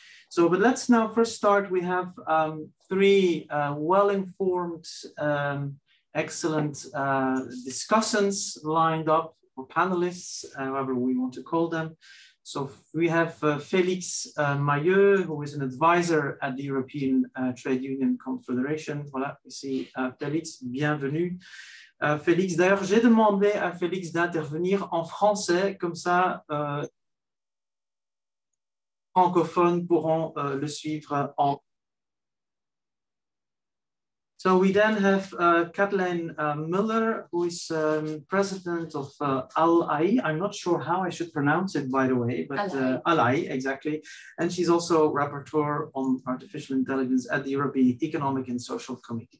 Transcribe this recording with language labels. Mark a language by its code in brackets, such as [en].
[en] So, but let's now first start. We have three well-informed, excellent discussants lined up, or panelists, however we want to call them. So we have Félix Mailleux, who is an advisor at the European Trade Union Confederation. Voilà, we see Félix, bienvenue. [fr] Félix, d'ailleurs, j'ai demandé à Félix d'intervenir en français, comme ça, francophones pourront le suivre en. [en] So we then have Kathleen Miller, who is president of ALAI. I'm not sure how I should pronounce it, by the way, but ALAI, exactly. And she's also rapporteur on artificial intelligence at the European Economic and Social Committee.